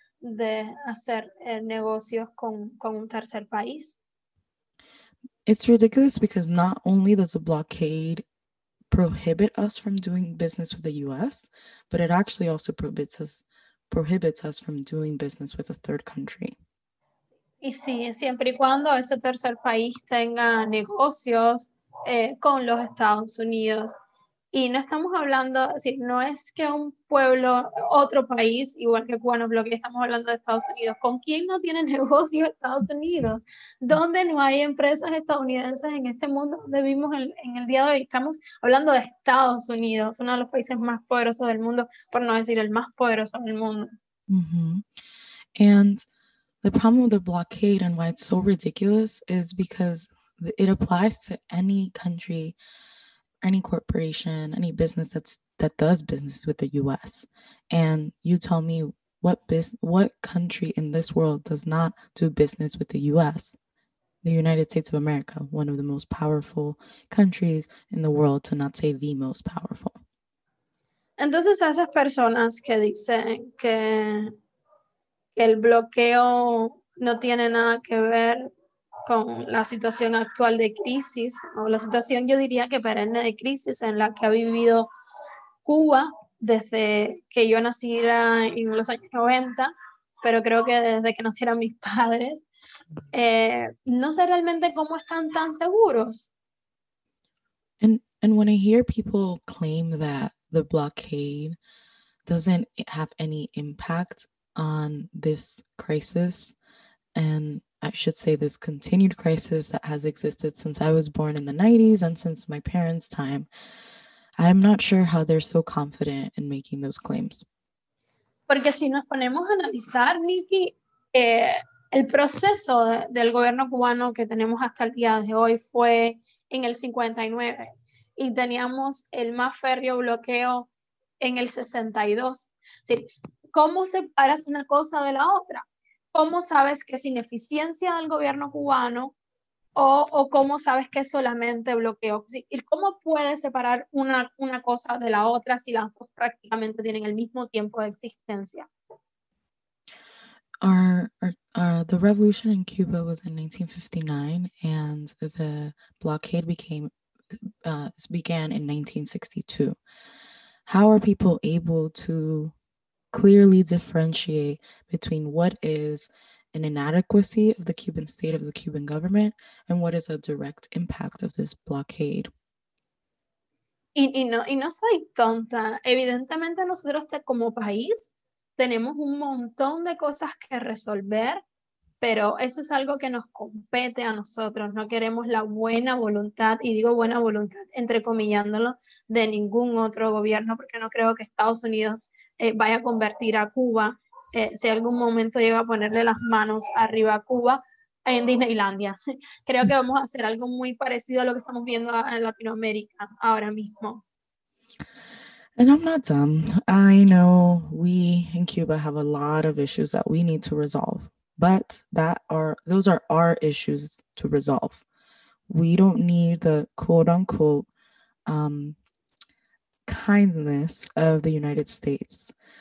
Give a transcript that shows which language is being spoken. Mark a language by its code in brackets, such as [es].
[es] de hacer negocios con un tercer país. [en] It's ridiculous because not only does the blockade prohibit us from doing business with the US, but it actually also prohibits us from doing business with a third country. [es] Y sí, siempre y cuando ese tercer país tenga negocios con los Estados Unidos. Y no estamos hablando, así, no es que un pueblo, otro país, igual que Cuba nos bloquee, estamos hablando de Estados Unidos. ¿Con quién no tiene negocios Estados Unidos? ¿Dónde no hay empresas estadounidenses en este mundo donde vivimos en el día de hoy? Estamos hablando de Estados Unidos, uno de los países más poderosos del mundo, por no decir el más poderoso del mundo. Mm-hmm. [en] And the problem with the blockade and why it's so ridiculous is because it applies to any country, any corporation, any business that does business with the U.S. And you tell me what country in this world does not do business with the U.S.? The United States of America, one of the most powerful countries in the world, to not say the most powerful. [es] Entonces, esas personas que dicen que el bloqueo no tiene nada que ver con la situación actual de crisis, o la situación, yo diría que perenne de crisis en la que ha vivido Cuba desde que yo nací en los años 90, pero creo que desde que nacieron mis padres, no sé realmente cómo están tan seguros. [en] And when I hear people claim that the blockade doesn't have any impact on this crisis, and I should say this continued crisis that has existed since I was born in the 90s and since my parents' time, I'm not sure how they're so confident in making those claims. [es] Porque si nos ponemos a analizar, Nikki, el proceso del gobierno cubano que tenemos hasta el día de hoy fue en el 59 y teníamos el más férreo bloqueo en el 62. Sí, ¿cómo separas una cosa de la otra? ¿Cómo sabes que es ineficiencia del gobierno cubano o cómo sabes que es solamente bloqueo? ¿Y cómo puedes separar una cosa de la otra si las dos prácticamente tienen el mismo tiempo de existencia? [en] The revolution in Cuba was in 1959 and the blockade began in 1962. How are people able to clearly differentiate between what is an inadequacy of the Cuban state, of the Cuban government, and what is a direct impact of this blockade? [es] Y no soy tonta. Evidentemente nosotros como país tenemos un montón de cosas que resolver, pero eso es algo que nos compete a nosotros. No queremos la buena voluntad, y digo buena voluntad entrecomillándolo, de ningún otro gobierno, porque no creo que Estados Unidos vaya a convertir a Cuba, si algún momento llega a ponerle las manos arriba a Cuba, en Disneylandia. Creo que vamos a hacer algo muy parecido a lo que estamos viendo en Latinoamérica ahora mismo. [en] And I'm not dumb. I know we in Cuba have a lot of issues that we need to resolve, but those are our issues to resolve. We don't need the quote unquote kindness of the United States.